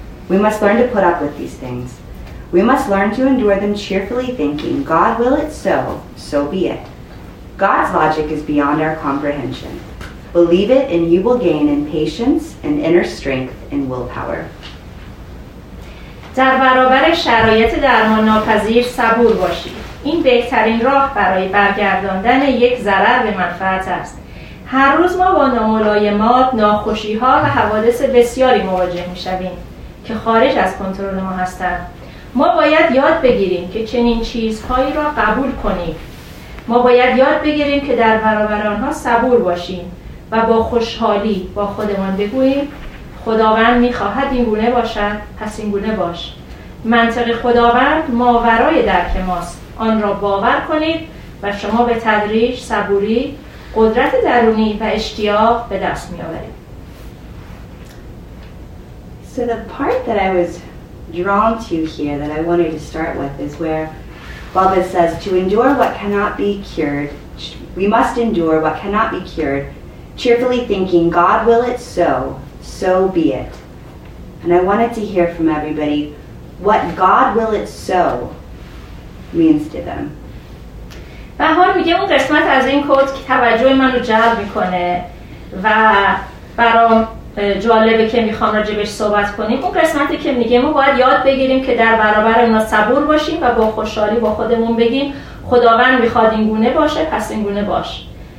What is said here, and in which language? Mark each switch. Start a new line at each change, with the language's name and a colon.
English: We must learn to put up with these things. We must learn to endure them cheerfully thinking, God will it so, so be it. God's logic is beyond our comprehension. Believe it and you will gain in patience and inner strength and willpower.
Persian: در برابر شرایط درمان ناپذیر صبور باشید. این بهترین راه برای برگرداندن یک ضرر به منفعت است. هر روز ما با ناملایمات، ناخوشی ها و حوادث بسیاری مواجه می شویم که خارج از کنترل ما هستند. ما باید یاد بگیریم که چنین چیزهایی را قبول کنیم. ما باید یاد بگیریم که در برابر آنها صبور باشیم و با خوشحالی با خودمان بگوییم خداوند می‌خواهد این گونه باشد، پس این گونه باش. منطق خداوند ماورای درک ماست. آن را باور کنید و شما به تدریج صبوری، قدرت درونی و اشتیاق به دست می‌آورید.
English: So the part that I was drawn to here that I wanted to start with is where Baba says to endure what cannot be cured. We must endure what cannot be cured. Cheerfully thinking, God will it so, so be it. And I wanted to hear from everybody what God will it so means to them.
Persian: بهار میگه اون قسمت از این کد که توجه من رو جلب میکنه و برام جالبه که میخوام راجبش صحبت کنیم، اون قسمتی که میگه ما باید یاد بگیریم که در برابر اونا صبور باشیم و با خوشحالی با خودمون بگیم خداوند میخواد این گونه باشه، پس این گونه باش.